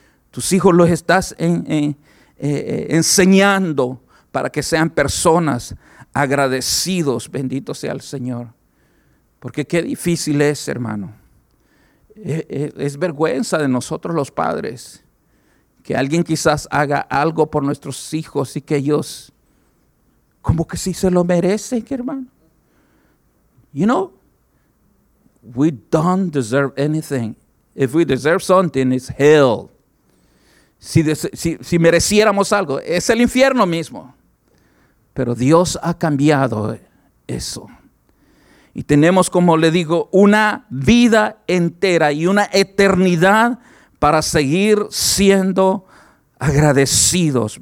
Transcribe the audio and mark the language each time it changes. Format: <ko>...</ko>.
<es>Tus hijos los estás enseñando para que sean personas agradecidos, bendito sea el Señor. Porque qué difícil es, hermano. Es vergüenza de nosotros los padres que alguien quizás haga algo por nuestros hijos y que ellos, como que sí se lo merecen, hermano.</es> <en>You know, we don't deserve anything. If we deserve something, it's hell.</en> <es>Si mereciéramos algo, es el infierno mismo. Pero Dios ha cambiado eso. Y tenemos, como le digo, una vida entera y una eternidad para seguir siendo agradecidos.</es>